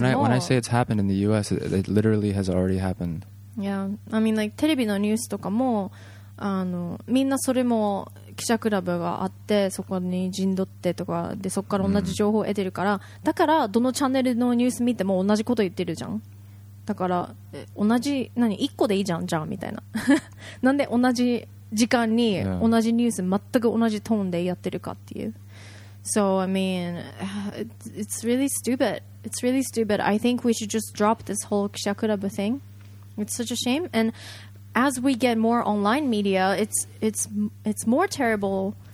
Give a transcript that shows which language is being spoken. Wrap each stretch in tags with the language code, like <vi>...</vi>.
<en>Like, when I say it's happened in the U.S., it literally has already happened. Yeah, I mean, like</en> <ja>テレビのニュースとかも、あのみんなそれも記者クラブがあってそこに陣取ってとかでそこから同じ情報を得てるから、だからどのチャンネルのニュース見ても同じこと言ってるじゃん。だから同じ何一個でいいじゃんじゃんみたいな。なんで同じ時間に同じニュース全く同じトーンでやってるかっていう。</ja> <en>So, I mean, it's really stupid. It's really stupid. I think we should just drop this whole Kishakurabu thing. It's such a shame. And as we get more online media, it's more terrible.</en>